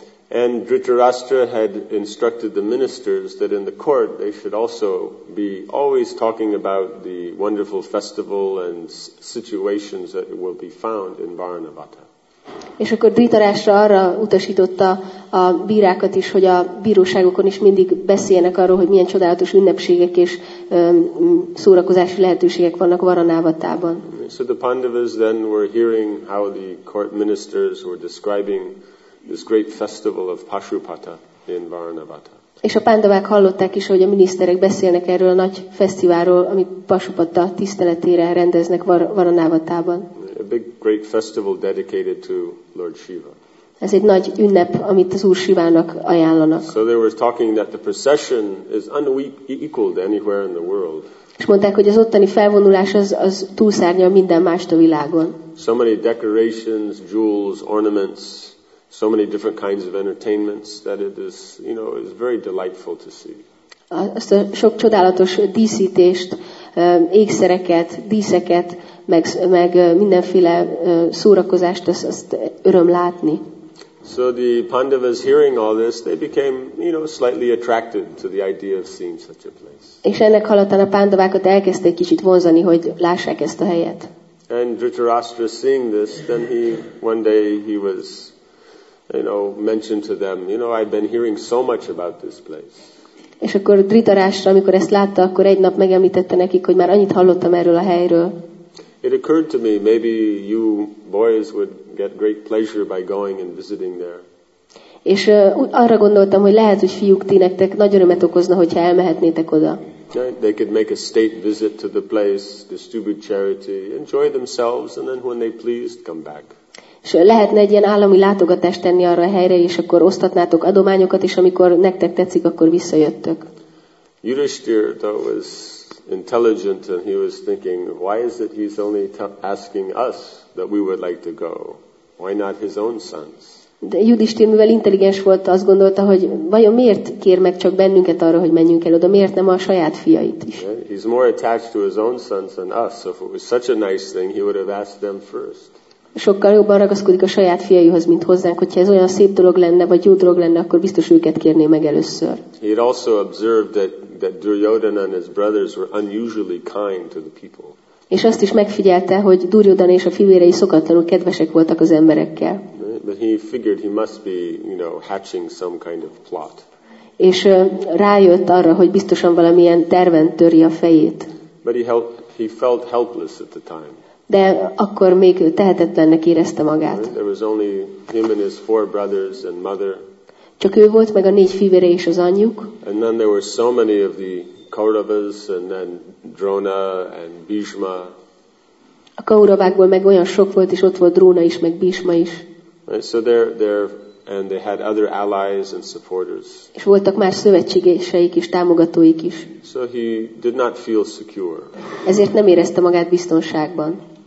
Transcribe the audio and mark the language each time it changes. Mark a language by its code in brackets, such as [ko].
[en] And Dhritarashtra had instructed the ministers that in the court they should also be always talking about the wonderful festival and situations that will be found in Varnavata. [hu] És akkor Dhritarashtra arra utasította a bírákat is, hogy a bíróságokon is mindig beszéljenek arról, hogy milyen csodálatos ünnepségek és szórakozási lehetőségek vannak Varnavatában. [en] So the Pandavas then were hearing how the court ministers were describing this great festival of Pashupata in Varnavata. [hu] És a Pandavák hallották is, hogy a miniszterek beszélnek erről a nagy fesztiválról, amit Pashupata tiszteletére rendeznek Varnavatában. [en] A big great festival dedicated to Lord Shiva. [hu] Ez egy nagy ünnep, amit az Úr Sivának ajánlanak. [en] So they were talking that the procession is unequaled anywhere in the world. [hu] És mondták, hogy az ottani felvonulás az túlszárnyal minden mást a világon. [en] So many decorations, jewels, ornaments, so many different kinds of entertainments that it is, you know, is very delightful to see. [hu] Azt a sok csodálatos díszítést, ékszereket, díszeket, meg mindenféle szórakozást, azt öröm látni. [en] So the Pandavas hearing all this, they became, you know, slightly attracted to the idea of seeing such a place. [hu] És ennek hallatán a Pandavákat elkezdték kicsit vonzani, hogy lássák ezt a helyet. [en] And Dhritarashtra seeing this, then he, one day he was, you know, mentioned to them, you know, I've been hearing so much about this place. [hu] És akkor Dhritarashtra, amikor ezt látta, akkor egy nap megemlítette nekik, hogy már annyit hallottam erről a helyről. [en] It occurred to me, maybe you boys would get great pleasure by going and visiting there. [hu] És arra gondoltam, hogy lehet, hogy fiúk, ti nektek nagy örömet okozna, hogyha elmehetnétek oda. [en] They could make a state visit to the place, distribute charity, enjoy themselves, and then when they pleased, come back. [hu] És lehetne egy ilyen állami látogatást tenni arra a helyre, és akkor osztatnátok adományokat, és amikor nektek tetszik, akkor visszajöttök. [en] Yudhishthir, though, was intelligent, and he was thinking, why is it he's only asking us that we would like to go? Why not his own sons? [hu] De Yudhishthir, mivel intelligens volt, azt gondolta, hogy vajon miért kér meg csak bennünket arra, hogy menjünk el oda, miért nem a saját fiait is? [en] Yeah, he's more attached to his own sons than us, so if it was such a nice thing, he would have asked them first. [hu] Sokkal jobban ragaszkodik a saját fiaihoz, mint hozzánk, hogyha ez olyan szép dolog lenne, vagy jó dolog lenne, akkor biztos őket kérné meg először. [en] He had also observed that Duryodhana and his brothers were unusually kind to the people. [hu] És azt is megfigyelte, hogy Duryodhana és a fivérei szokatlanul kedvesek voltak az emberekkel. [en] But he figured he must be, you know, hatching some kind of plot. [hu] És rájött arra, hogy biztosan valamilyen terven törje a fejét. [en] But he felt helpless at the time. [hu] De akkor még tehetetlennek érezte magát. [en] There was only him and his four brothers and mother. [hu] Csak ő volt, meg a négy fivére és az anyjuk. [en] And then there were so many of the Kauravas, and then Drona and Bhishma. [hu] A Kauravákból meg olyan sok volt, és ott volt Drona is, meg Bhishma is. [en] Right, so they're and they had other allies and supporters. [hu] És voltak más szövetségeseik és támogatóik is. [en] So he did not feel secure. [hu] Ezért nem érezte magát biztonságban.